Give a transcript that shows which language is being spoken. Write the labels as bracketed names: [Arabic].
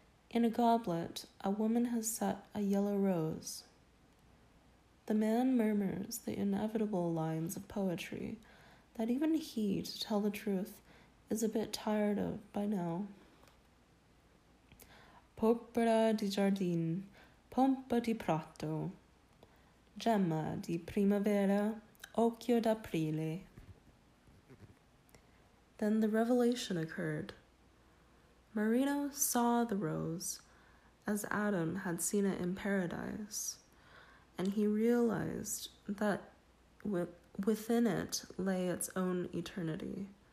[English] In a goblet, a woman has set a yellow rose. The man murmurs the inevitable lines of poetry that even he, to tell the truth, is a bit tired of by now. [Italian] Porpora di giardin, pompa di prato, gemma di primavera, occhio d'aprile. [English] Then the revelation occurred. Marino saw the rose as Adam had seen it in paradise, and he realized that within it lay its own eternity,